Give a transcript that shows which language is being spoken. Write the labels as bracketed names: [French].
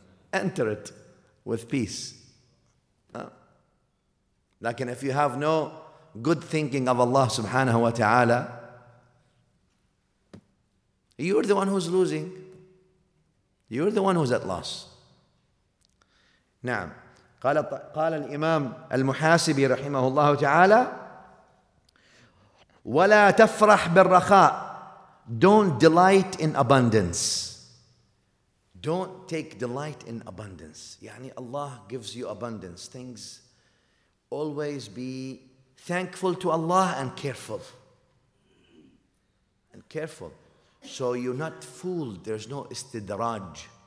[English] Enter it with peace. [Arabic] Lakin [English] if you have no good thinking of Allah subhanahu wa ta'ala, you're the one who's losing. You're the one who's at loss. [Arabic] نعم. قال الإمام المحاسبي رحمه الله تعالى ولا تفرح بالرخاء. [English] Don't delight in abundance. Don't take delight in abundance. [Arabic] يعني [English] Allah gives you abundance. Things always be thankful to Allah and careful. And careful. So you're not fooled. There's no istidraj.